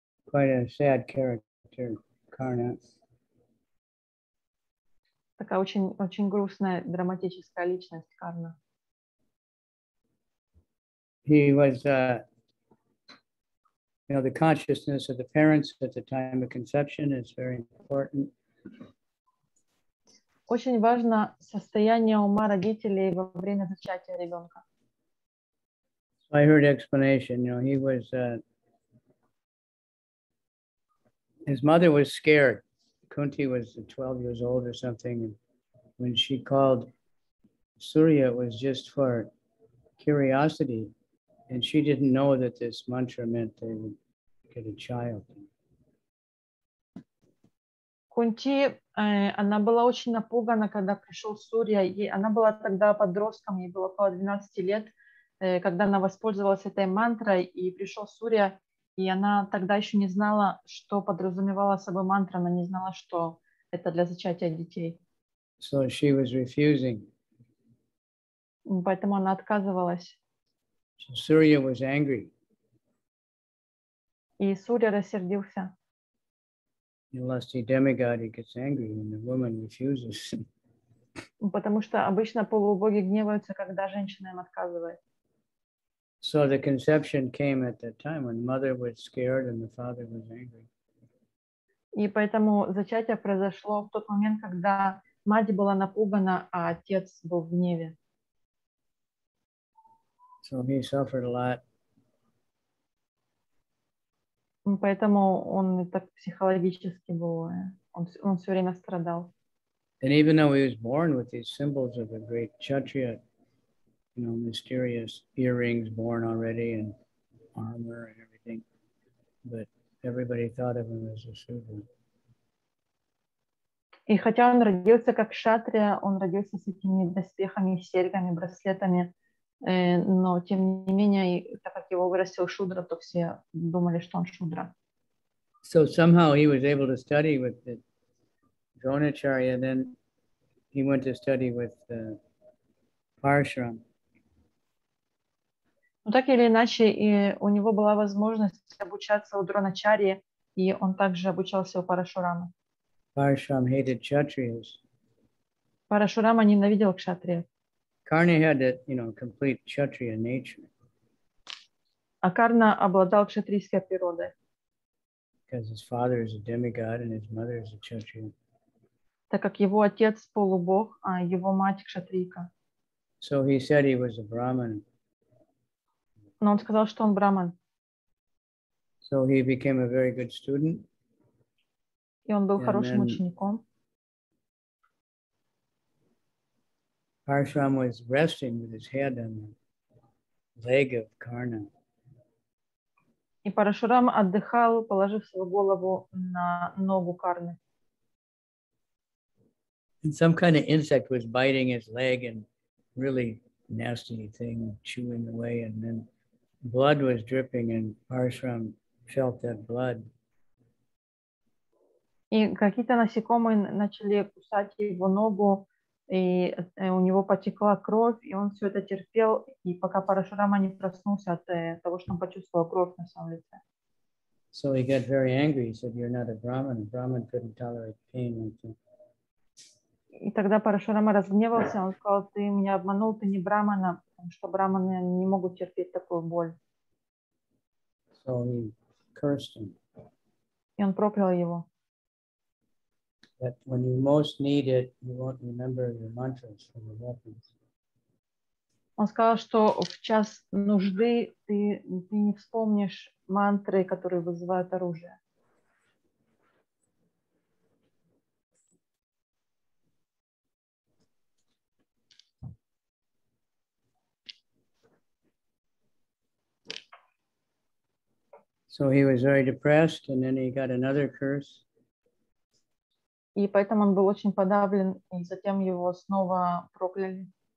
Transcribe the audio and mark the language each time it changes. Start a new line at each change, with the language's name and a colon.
English: Quite a sad character, Karna.
Russian: Такая очень, очень грустная, драматическая личность Карна.
English: He was, you know, the consciousness of the parents at the time of conception is very important.
Russian: Очень важно состояние ума родителей во время зачатия ребенка.
English: So I heard explanation, you know, he was, his mother was scared. Kunti was 12 years old or something, and when she called Surya, it was just for curiosity, and she didn't know that this mantra meant they would get a child.
Russian: Кунти, она была очень напугана, когда пришел Сурья. Она была тогда подростком, ей было около 12 лет, когда она воспользовалась этой мантрой, и пришел Сурья. И она тогда еще не знала, что подразумевала собой мантра, она не знала, что это для зачатия детей.
English: So she was refusing.
Russian: Поэтому она отказывалась.
English: So Surya was angry.
Russian: И Сурья рассердился.
English: A lusty demigod, he gets angry when the woman refuses.
Russian: Потому что обычно полубоги гневаются, когда женщина им отказывает.
English: So the conception came at that time when mother was scared and the father was angry.
Russian: И поэтому зачатие произошло в тот момент, когда мать была напугана, а отец был в гневе.
English: So he suffered a lot.
Russian: Поэтому он так психологически был, он все время страдал.
English: And even though he was born with these symbols of a great kshatriya, you know, mysterious earrings, born already, and armor and everything. But everybody thought of him as a Shudra.
Russian: И хотя он родился как кшатрия, он родился с этими доспехами, серьгами, браслетами, но тем не менее, так как его вырастил Шудра, то все думали, что он Шудра.
English: So somehow he was able to study with the Dronacharya, then he went to study with the Parshuram.
Russian: Но так или иначе, и у него была возможность обучаться у Дроначарьи, и он также обучался у Парашурама.
English: Parashuram hated kshatriyas.
Russian: Парашурама ненавидел кшатриев.
English: Карна had a, you know, complete kshatriya nature.
Russian: А Карна обладал кшатрийской природой.
English: Because his father is a demigod and his mother is a kshatriya.
Russian: Так как его отец полубог, а его мать кшатрийка.
English: So he said he was a brahman.
Russian: Но он сказал, что он браман.
English: So he became a very good student.
Russian: И он был хорошим учеником.
English: Parshuram was resting with his head on the leg of Karna.
Russian: И Парашурам отдыхал, положив свою голову на ногу Карны.
English: And some kind of insect was biting his leg and really nasty thing, chewing away, and then blood was dripping, and Parshuram felt that blood.
Russian: И какие-то насекомые начали кусать его ногу, и у него потекла кровь, и он все это терпел, и пока Парашурама не проснулся от того, что он почувствовал кровь на своем лице.
English: So he got very angry. He said, "You're not a Brahmin. Brahmin couldn't tolerate pain."
Russian: И тогда Парашурама разгневался, он сказал, ты меня обманул, ты не брахмана, потому что брахманы не могут терпеть такую боль.
English: So he cursed him.
Russian: И он проклял его.
English: That when you most need it, you won't remember your mantras from the weapons.
Russian: Он сказал, что в час нужды ты не вспомнишь мантры, которые вызывают оружие.
English: So he was very depressed, and then he got another curse.
Russian: И поэтому он был очень подавлен, и затем его снова прокляли.